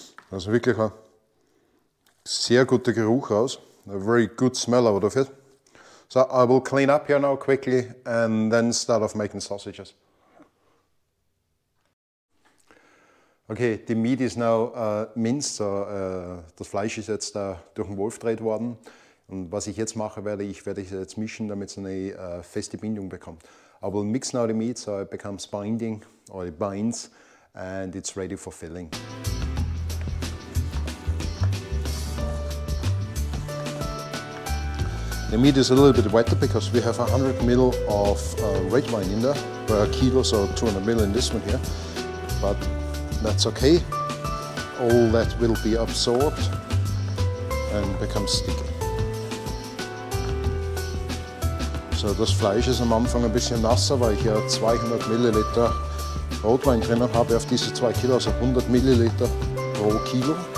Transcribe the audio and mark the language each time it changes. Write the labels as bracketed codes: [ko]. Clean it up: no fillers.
[de] Also wirklich ein sehr guter Geruch raus. [en] A very good smell out of it. So I will clean up here now quickly and then start off making sausages. Okay, the meat is now minced, [de] so das Fleisch ist jetzt da durch den Wolf gedreht worden. Und was ich jetzt machen werde, ich werde es jetzt mischen, damit es eine feste Bindung bekommt. [en] I will mix now the meat, so it becomes binding, or it binds, and it's ready for filling. The meat is a little bit wetter because we have 100 ml of red wine in there, per kilo, so 200 ml in this one here. But that's okay. All that will be absorbed and become sticky. [de] So das Fleisch ist am Anfang ein bisschen nasser, weil ich ja 200 ml Rotwein drin habe auf diese 2 Kilo, also 100 ml pro Kilo.